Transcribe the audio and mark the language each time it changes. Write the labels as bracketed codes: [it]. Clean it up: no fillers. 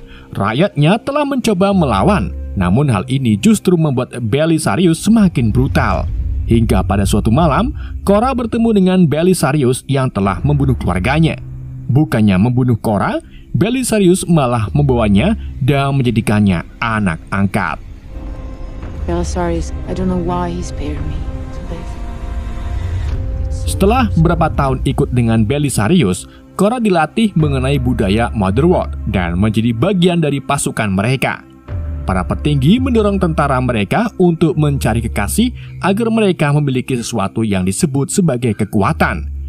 [id] Rakyatnya telah mencoba melawan, namun hal ini justru membuat Belisarius semakin brutal. Hingga pada suatu malam, Kora bertemu dengan Belisarius yang telah membunuh keluarganya. Bukannya membunuh Kora, Belisarius malah membawanya dan menjadikannya anak angkat. [en] Belisarius, I don't know why he spared me. [id] Setelah beberapa tahun ikut dengan Belisarius, Kora dilatih mengenai budaya Motherworld dan menjadi bagian dari pasukan mereka. Para petinggi mendorong tentara mereka untuk mencari kekasih agar mereka memiliki sesuatu yang disebut sebagai kekuatan.